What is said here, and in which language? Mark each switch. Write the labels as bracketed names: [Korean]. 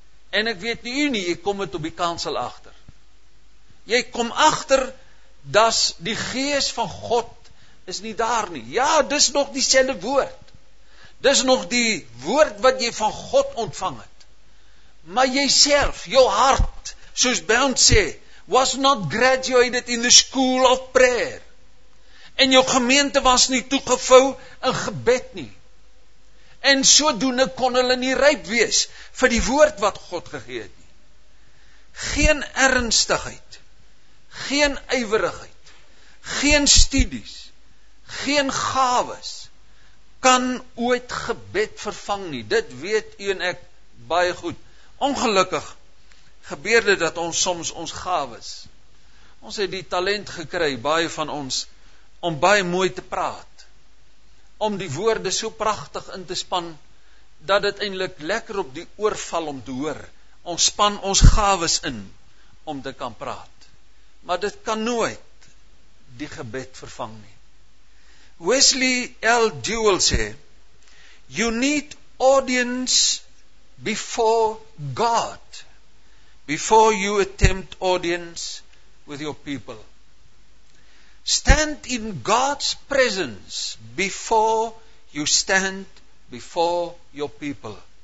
[Afrikaans] En ek weet nie, jy kom het op die kansel agter. Jy kom agter dat die Gees van God is nie daar nie. Ja, dis nog dieselfde woord. Dis nog die woord wat jy van God ontvang het. Maar jyself, jou hart, soos Bond sê, [English] was not graduated in the school of prayer. [Afrikaans] En jou gemeente was nie toegevou in gebed nie. En sodoende kon hulle nie ryp wees vir die woord wat God gegee het nie. Geen ernstigheid, geen ywerigheid, geen studies, geen gawes kan ooit gebed vervang nie. Dit weet u en ek baie goed. Ongelukkig gebeur dit dat ons soms ons gawes, ons het die talent gekry, baie van ons, om baie mooi te praat, om die woorde so prachtig in te span, dat het eindelijk lekker op die oor val om te hoor. Ons span ons gawes in, om te kan praat. Maar dit kan nooit die gebed vervang nie. Wesley L. [English] Duell sê, "You need audience before God, before you attempt audience with your people. Stand in God's presence before you stand before your people.